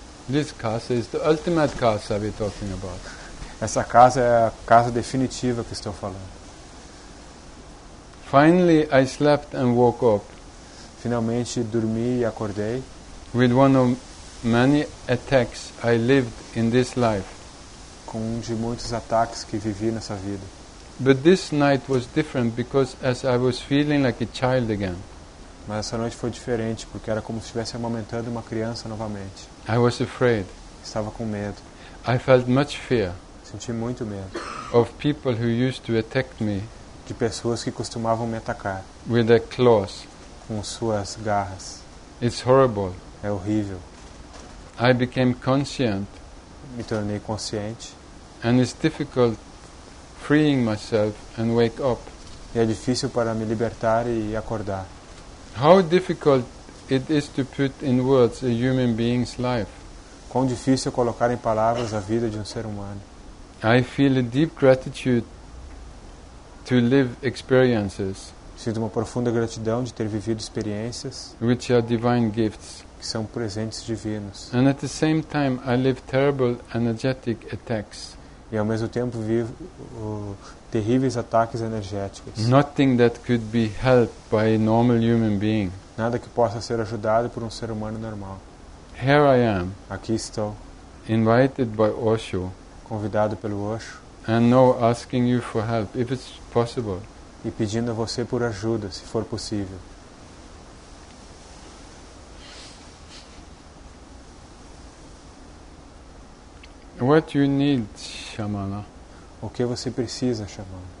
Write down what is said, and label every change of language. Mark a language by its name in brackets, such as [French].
[English] This casa is the ultimate casa we're talking about. [Portuguese] Essa casa é a casa definitiva que estou falando. [English] Finally I slept and woke up. [Portuguese] Finalmente dormi e acordei. [English] With one of many attacks I lived in this life. [Portuguese] Com um de muitos ataques que vivi nessa vida. [English] But this night was different because as I was feeling like a child again. [Portuguese] Mas essa noite foi diferente porque era como se estivesse amamentando uma criança novamente. [English] I was afraid. [Portuguese] Estava com medo. [English] I felt much fear. [Portuguese] Senti muito medo. [English] Of people who used to attack me. [Portuguese] De pessoas que costumavam me atacar. [English] With their claws. [Portuguese] Com suas garras. [English] It's horrible. [Portuguese] É horrível. [English] I became conscient. [Portuguese] Me tornei consciente. [English] And it's difficult freeing myself and wake up. [Portuguese] E é difícil para me libertar e acordar. [English] How difficult it is to put in words a human being's life. [Portuguese] Quão difícil colocar em palavras a vida de um ser humano. [English] I feel a deep gratitude to live experiences. [Portuguese] Sinto uma profunda gratidão de ter vivido experiências. [English] Which are divine gifts. [Portuguese] Que são presentes divinos. [English] And at the same time, I live terrible energetic attacks. [Portuguese] E ao mesmo tempo vivo terríveis ataques energéticos. [English] Nothing that could be helped by a normal human being. [Portuguese] Nada que possa ser ajudado por um ser humano normal. [English] Here I am. [Portuguese] Aqui estou. [English] Invited by Osho. [Portuguese] Convidado pelo Osho. [English] And now asking you for help, if it's possible. [Portuguese] E pedindo a você por ajuda, se for possível. [English] What you need, Shamana? [Portuguese] O que você precisa, Shamana?